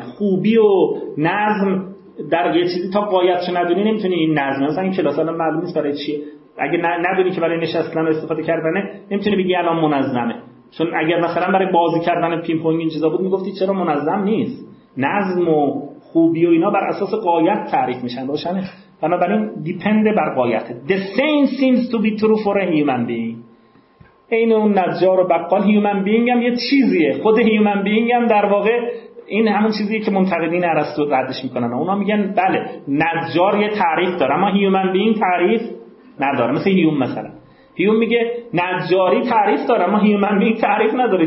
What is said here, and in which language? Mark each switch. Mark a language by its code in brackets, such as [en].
[fa] خوبی و نظم در یه چیزی تا قایتشو ندونی نمیتونی این نظم، مثلا این کلاس الان معلوم نیست برای چیه، اگه ندونی که برای نشستن استفاده کردنه نمیتونی بگی الان منظمه، چون اگر مثلا برای بازی کردن پینگ پونگ این چیزا بود میگفتی چرا منظم نیست. نظم و خوبی و اینا بر اساس قایت تعریف میشن. روشنه؟ بنابراین دیپند بر قایته. [en] The same seems to be true for a human being. [fa] این اون نجار و بقال human being هم یه چیزیه، خود human being هم در واقع این همون چیزیه که منتقدین ارسطو ردش میکنن. اونا میگن بله نجار یه تعریف داره اما هیومن بینگ تعریف نداره. مثل هیوم مثلا، هیوم میگه نجاری تعریف داره اما هیومن بینگ تعریف نداره.